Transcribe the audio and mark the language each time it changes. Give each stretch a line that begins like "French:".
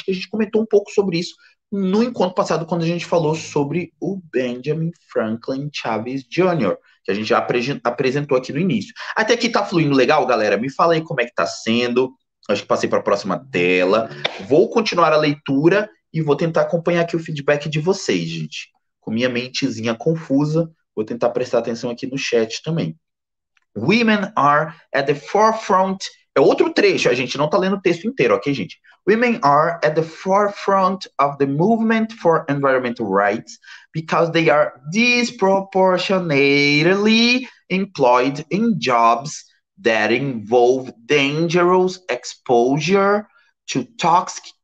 Portuguese: Acho que a gente comentou um pouco sobre isso no encontro passado, quando a gente falou sobre o Benjamin Franklin Chavez Jr., que a gente já apresentou aqui no início. Até aqui tá fluindo legal, galera? Me fala aí como é que tá sendo. Acho que passei para a próxima tela. Vou continuar a leitura e vou tentar acompanhar aqui o feedback de vocês, gente. Com minha mentezinha confusa, vou tentar prestar atenção aqui no chat também.
English: Women are at the forefront.
Portuguese: É outro trecho, a gente não está lendo o texto inteiro, ok, gente?
English: Women are at the forefront of the movement for environmental rights because they are disproportionately employed in jobs that involve dangerous exposure to toxic